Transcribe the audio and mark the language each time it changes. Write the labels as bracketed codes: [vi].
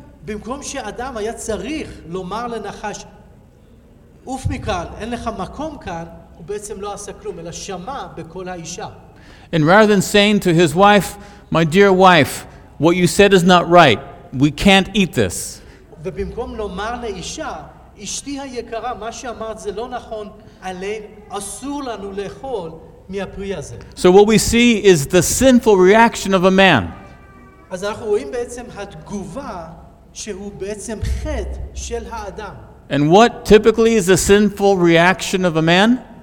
[he] במקום שאדם היה צריך לומר לנחש, עוף מכאן, אין לך מקום כאן, הוא בעצם לא עשה כלום, אלא שמע בכל האישה. [en] And rather than saying to his wife, my dear wife, what you said is not right. We can't eat this. [he] ובמקום לומר לאישה, אשתי היקרה, מה שאמרת זה לא נכון, אסור לנו לאכול מהפרי הזה. [en] So what we see is the sinful reaction of a man. [he] אז אנחנו רואים בעצם התגובה שהוא בעצם חטא של האדם. [en] And what typically is the sinful reaction of a man?